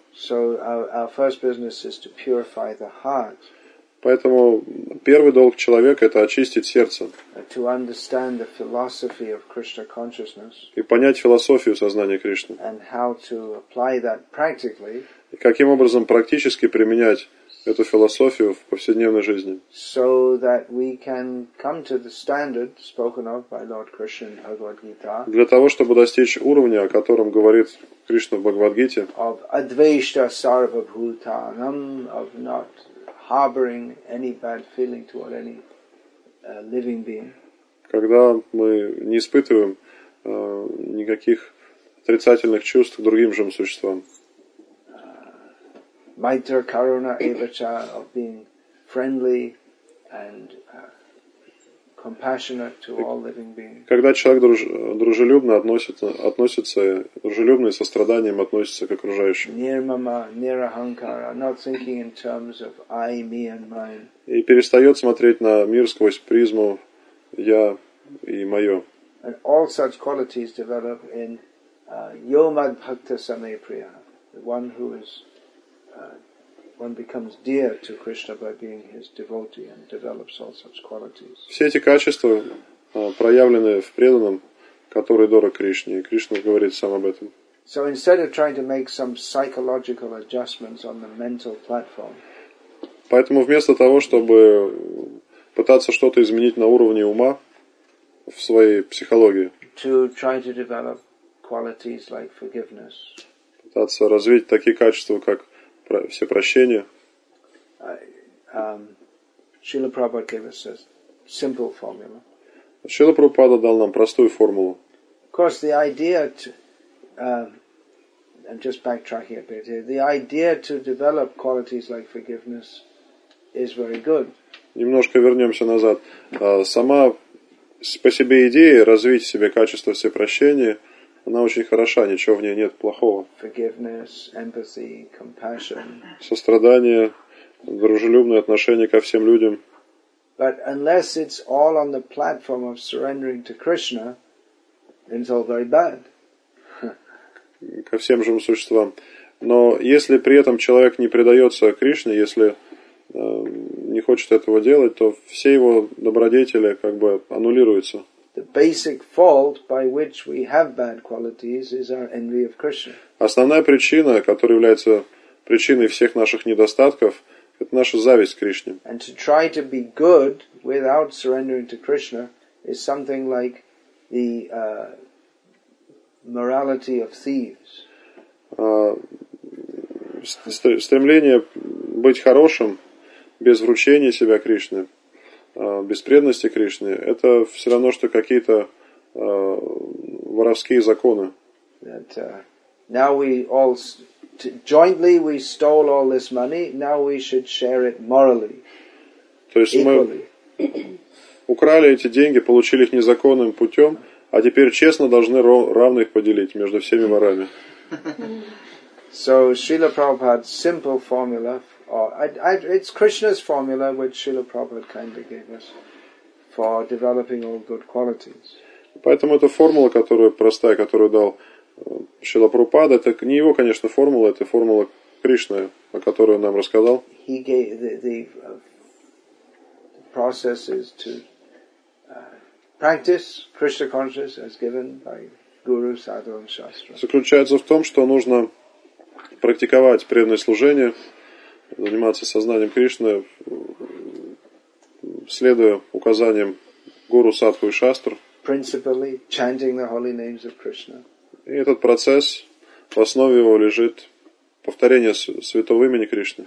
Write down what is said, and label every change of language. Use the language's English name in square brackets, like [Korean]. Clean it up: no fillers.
[English] So our first business is to purify the heart. [Russian] Поэтому первый долг человека – это очистить сердце. [English] To understand the philosophy of Krishna consciousness. [Russian] И понять философию сознания Кришны. [English] And how to apply that practically. [Russian] И каким образом практически применять эту философию в повседневной жизни. [English] So that we can come to the standard spoken of by Lord Krishna in Bhagavad-gita. [Russian] Для того, чтобы достичь уровня, о котором говорит Кришна в Бхагавад-гите. [English] Of [Sanskrit] advaishta sarva-bhutanam, [English] of not harboring any bad feeling toward any living being. [Russian] Когда мы не испытываем никаких отрицательных чувств к другим живым существам. [Sanskrit] Maitra karuna evacha, [English] of being friendly and compassionate to all living beings. [Russian] Когда человек дружелюбно относится, дружелюбно и состраданием относится к окружающим. [Sanskrit] Nirmama, nirahankara, [English] not thinking in terms of I, me and mine. [Russian] И перестает смотреть на мир сквозь призму я и мое. [English] And all such qualities develop in [Sanskrit] yomad bhakta samepriya, [English] the one who is one becomes dear to Krishna by being his devotee and develops all such qualities. [Russian] Все эти качества проявлены в преданном, который дорог Кришне. Кришна говорит сам об этом. [English] So instead of trying to make some psychological adjustments on the mental platform, [Russian] поэтому вместо того, чтобы пытаться что-то изменить на уровне ума в своей психологии, [English] to try to develop qualities like forgiveness, [Russian] пытаться развить такие качества, как всепрощение, [English] Srila Prabhupada gave us a simple formula. [Russian] Srila Prabhupada дал нам простую формулу. [English] Of course, the idea to I'm just backtracking a bit here. The idea to develop qualities like forgiveness is very good. [Russian] Немножко вернемся назад. Сама по себе идея развить в себе качество всепрощения, она очень хороша, ничего в ней нет плохого. [English] Forgiveness, empathy, compassion. [Russian] Сострадание, дружелюбное отношение ко всем людям. [English] But unless it's all on the platform of surrendering to Krishna, then it's all very bad. [Russian] Ко всем живым существам. Но если при этом человек не предается Кришне, если не хочет этого делать, то все его добродетели как бы аннулируются. [English] The basic fault by which we have bad qualities is our envy of Krishna. [Russian] Основная причина, которая является причиной всех наших недостатков, это наша зависть к Кришне. [English] And to try to be good without surrendering to Krishna is something like the morality of thieves. [Russian] Стремление быть хорошим без вручения себя Кришне, без преданности Кришне, это все равно, что какие-то воровские законы. [English] That, now we all jointly we stole all this money, now we should share it morally. [Russian] То есть мы украли эти деньги, получили их незаконным путем, а теперь честно должны равно их поделить между всеми ворами. [English] So Srila Prabhupada's simple formula, or it's Krishna's formula, which Srila Prabhupada kind of gave us for developing all good qualities. [Russian] Поэтому эта формула, которая простая, которую дал Шрила Прабхупада, это не его, конечно, формула, это формула Кришны, о которой он нам рассказал. [English] He gave the process is to practice Krishna consciousness as given by Guru, Sadhu, and Shastra. [Russian] Заключается в том, что нужно практиковать преданное служение, заниматься сознанием Кришны, следуя указаниям Гуру, Садху и Шастр. [English] Principally chanting the holy names of Krishna. [Russian] И этот процесс, в основе его лежит повторение святого имени Кришны.